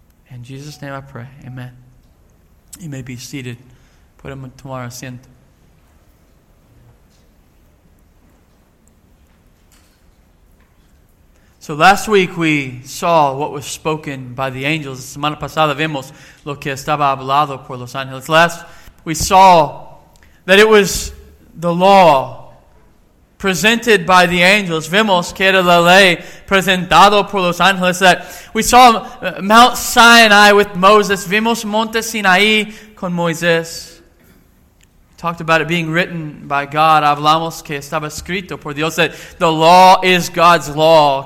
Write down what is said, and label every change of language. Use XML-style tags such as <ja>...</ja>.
<en>In Jesus' name I pray, amen. You may be seated. Put him to our asiento. So last week we saw what was spoken by the angels.</en> <es>La semana pasada vimos lo que estaba hablado por los ángeles.</es> <en>Last we saw that it was the law presented by the angels.</en> <es>Vimos que era la ley presentado por los ángeles.</es> <en>That we saw Mount Sinai with Moses.</en> <es>Vimos Monte Sinai con Moisés.</es> <en>Talked about it being written by God.</en> <es>Hablamos que estaba escrito por Dios.</es> <en>That the law is God's law.</en>